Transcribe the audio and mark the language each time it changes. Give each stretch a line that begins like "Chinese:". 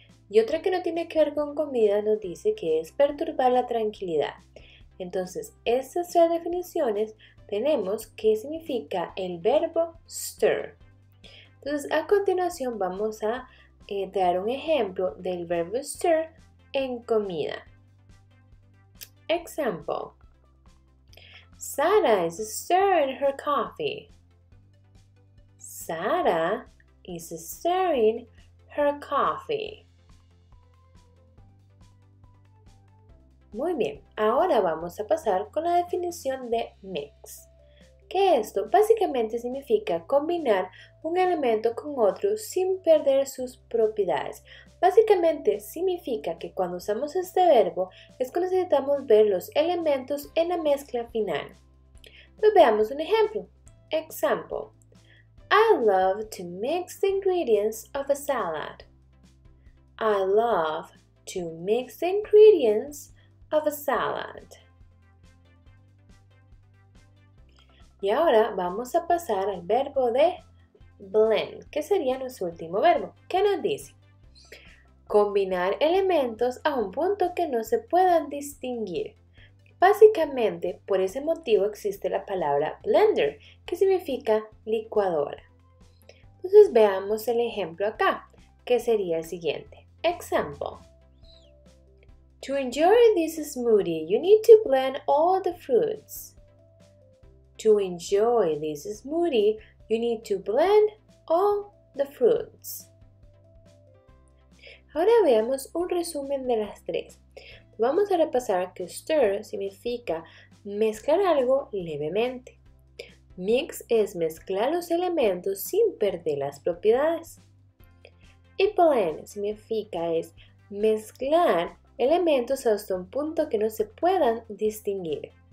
Spanish: Y otra que no tiene que ver con comida nos dice que es perturbar la tranquilidad. Entonces, estas tres definiciones tenemos qué significa el verbo stir. Entonces, a continuación vamos a dar un ejemplo del verbo stir en comida.
English: Example. Sarah is stirring her coffee. Sarah is stirring her coffee.
Spanish: Muy bien, ahora vamos a pasar con la definición de mix. ¿Qué es esto? Básicamente significa combinar un elemento con otro sin perder sus propiedades. Básicamente significa que cuando usamos este verbo es cuando necesitamos ver los elementos en la mezcla final. Pues veamos un ejemplo.
English: Example. I love to mix the ingredients of a salad. I love to mix the ingredients of a salad.
Spanish: Y ahora vamos a pasar al verbo de blend, que sería nuestro último verbo. ¿Qué nos dice? Combinar elementos a un punto que no se puedan distinguir. Básicamente, por ese motivo existe la palabra blender, que significa licuadora. Entonces veamos el ejemplo acá, que sería el siguiente.
English: Example. To enjoy this smoothie, you need to blend all the fruits. To enjoy this smoothie, you need to blend all the fruits.
Spanish: Ahora veamos un resumen de las tres. Vamos a repasar que stir significa mezclar algo levemente. Mix es mezclar los elementos sin perder las propiedades. Y blend significa es mezclar elementos hasta un punto que no se puedan distinguir.